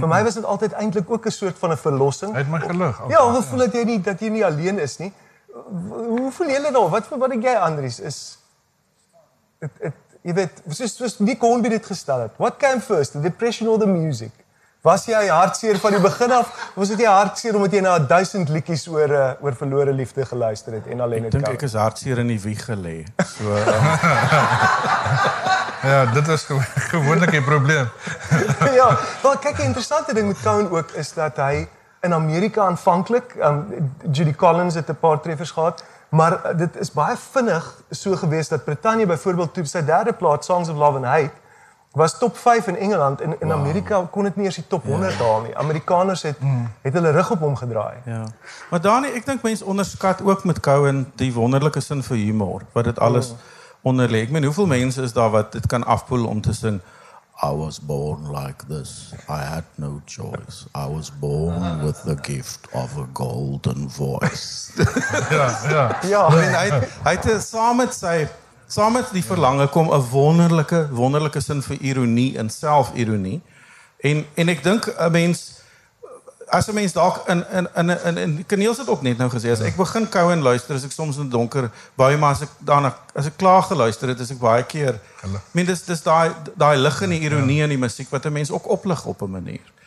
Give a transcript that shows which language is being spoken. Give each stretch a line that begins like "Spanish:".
Afrikaans: Vir my was dit altyd eintlik ook 'n soort van 'n verlossing. Hy het my gelig. Ja, ek voel dat jy nie alleen is nie. Hoe voel jy dan? Wat dink jy, Andries? Jy weet, soos Nick Hornby dit gestel het.
English: What came first, the depression or the music?
Afrikaans: Was jy hartseer van die begin af? Was dit jy hartseer omdat jy na 1000 liedjies oor verlore liefde geluister het en alleen het? Ek dink ek is hartseer in die wieg gelê. So, ja, dit is gewoonlik 'n probleem. Ja, wel kyk, die interessante ding met Cohen ook is dat hy in Amerika aanvanklik, Judy Collins het 'n paar treffers gehad, maar dit is baie vinnig so gewees dat Brittanje byvoorbeeld toe sy derde plaat Songs of Love and Hate was top 5 in Engeland en in Amerika kon dit nie eers die top 100 haal nie. Amerikaners het hulle rug op hom gedraai. Ja. Maar Dani, ek dink mense onderskat ook met Cohen die wonderlike sin vir humor, wat dit alles onderlê. Ek meen, hoeveel mense is daar wat dit kan afpoel om te sing
English: I was born like this. I had no choice. I was born with the gift of a golden voice.
Afrikaans: Ja.
English: I mean,
Afrikaans: hy het saam met die verlange kom 'n wonderlike, wonderlike sin vir ironie en selfironie. En ek dink 'n mens, as 'n mens dalk in Kaneels het ook net nou gesê, as ek begin kou en luister, as ek soms in donker baie, maar as ek klaar geluister het, is ek baie keer, mien, dis daai lig in die ironie en die muziek, wat 'n mens ook oplig op 'n manier.